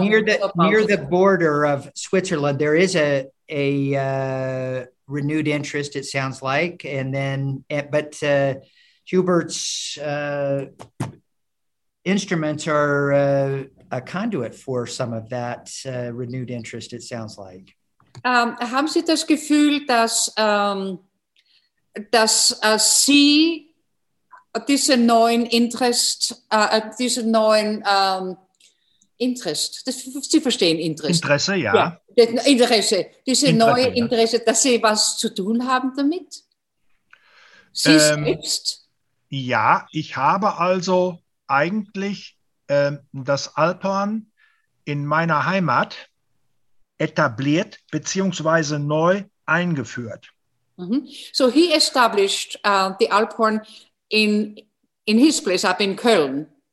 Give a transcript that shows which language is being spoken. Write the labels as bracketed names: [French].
[English] Near the border of Switzerland, there is a renewed interest, it sounds like. And then, but Hubert's instruments are a conduit for some of that renewed interest, it sounds like. [German] Haben Sie das Gefühl, dass Sie diese neue Interesse, dass Sie was zu tun haben damit? Sie selbst? Ja, ich habe also eigentlich das Alphorn in meiner Heimat etabliert beziehungsweise neu eingeführt. Mm-hmm. [English] So he established the Alphorn in his place up in Köln.